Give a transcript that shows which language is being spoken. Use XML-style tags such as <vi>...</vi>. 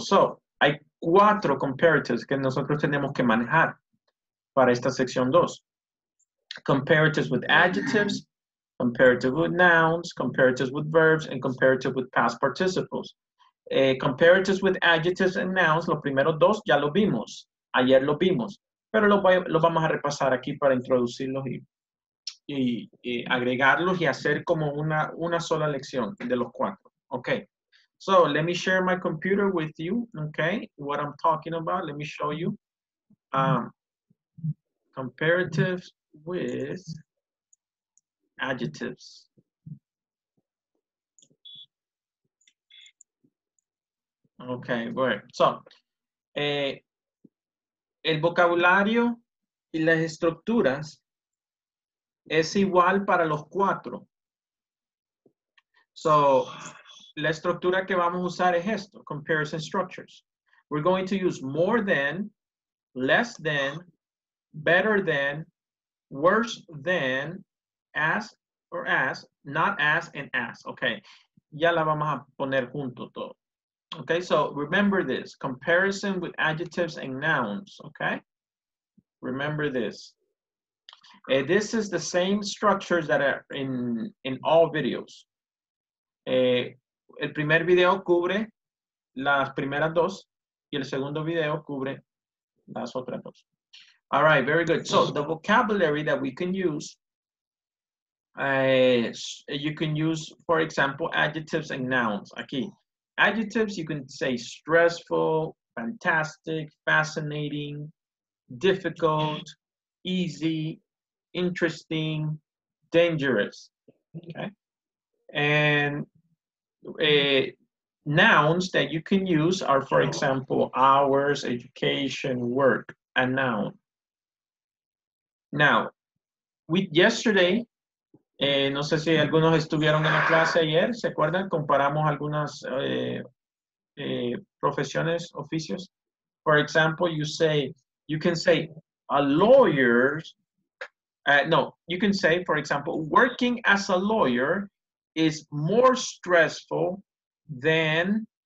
<es>So, hay cuatro comparatives que nosotros tenemos que manejar para esta sección dos.</es> <en>Comparatives with adjectives, comparative with nouns, comparatives with verbs, and comparative with past participles. Comparatives with adjectives and nouns,</en> <es>los primeros dos ya lo vimos. Ayer lo vimos. Pero lo vamos a repasar aquí para introducirlos y agregarlos y hacer como una sola lección de los cuatro.</es> <en>Okay. So, let me share my computer with you, okay? What I'm talking about, let me show you. Comparatives with adjectives. Okay, great.</en> <es>So, el vocabulario y las estructuras es igual para los cuatro. So, la estructura que vamos a usar es esto,</es> <en>comparison structures. We're going to use more than, less than, better than, worse than, as or as, not as and as.</en> <es>Okay, ya la vamos a poner junto todo.</es> <en>Okay, so remember this, comparison with adjectives and nouns, okay? Remember this. This is the same structures that are in all videos.</en> <es>El primer video cubre las primeras dos y el segundo video cubre las otras dos.</es> <en>All right, very good. So the vocabulary that we can use, you can use, for example, adjectives and nouns.</en> <es>Aquí.</es> <en>Adjectives, you can say stressful, fantastic, fascinating, difficult, easy, interesting, dangerous. Okay. And nouns that you can use are, for example, hours, education, work, a noun.</en> <es>Now, no sé si algunos estuvieron en la clase ayer, ¿se acuerdan? Comparamos algunas profesiones, oficios.</es> <en>For example, you can say a lawyer, you can say, for example, working as a lawyer is more stressful than</en>